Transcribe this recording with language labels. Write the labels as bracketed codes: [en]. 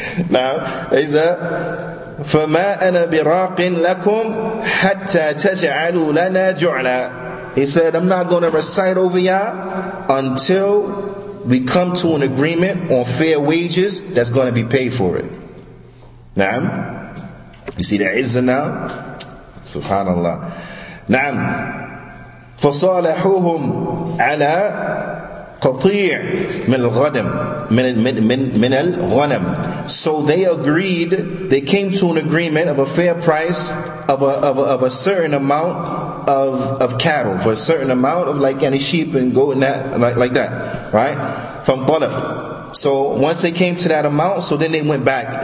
[ar] Now, Isaac, فما أنا براق لكم حتى تجعلوا لنا جعلا. [en] He said, I'm not going to recite over y'all until we come to an agreement on fair wages that's going to be paid for it. Naam. You see the izzah now? Subhanallah. Naam. [ar] فصالحوهم على قطيع من الغنم من الغنم. [en] So they agreed, they came to an agreement of a fair price of a certain amount of cattle, for a certain amount of like any sheep and goat and that, like that, right? From طلب. So once they came to that amount, so then they went back.